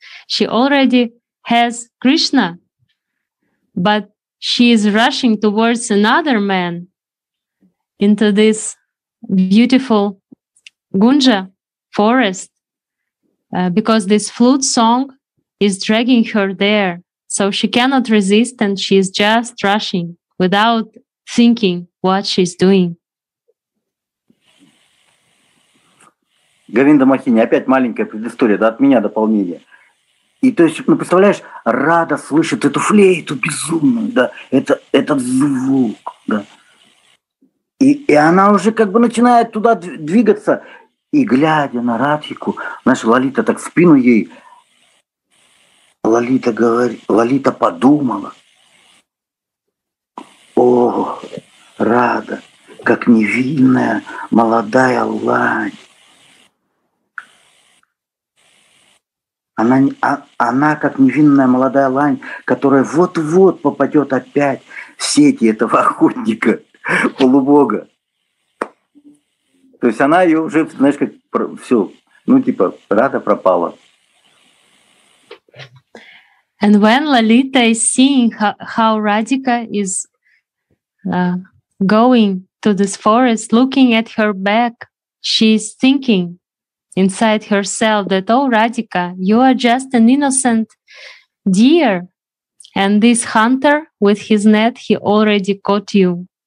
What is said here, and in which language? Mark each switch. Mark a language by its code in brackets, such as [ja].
[en] She already has Krishna, but she is rushing towards another man, into this beautiful Gunja forest, because this flute song is dragging her there. So she cannot resist, and she is just rushing without thinking what she's doing. [ru] Говинда Махини, опять маленькая предыстория, да, от меня дополнение. И то есть, ну, представляешь, Рада слышит эту флейту безумную, да, этот звук, да. И она уже как бы начинает туда двигаться, и глядя на Радхику, знаешь, Лолита так в спину ей, Лолита говорит, Лолита подумала: о, Рада, как невинная молодая лань. Она как невинная молодая лань, которая вот-вот попадет опять в сети этого охотника, полубога. То есть она ее уже, знаешь, как все, ну типа, Рада пропала. [en] And when Lalita is seeing how Radhika is going to this forest, looking at her back, she's thinking inside herself that, oh, Radhika, you are just an innocent deer, and this hunter with his net, he already caught you.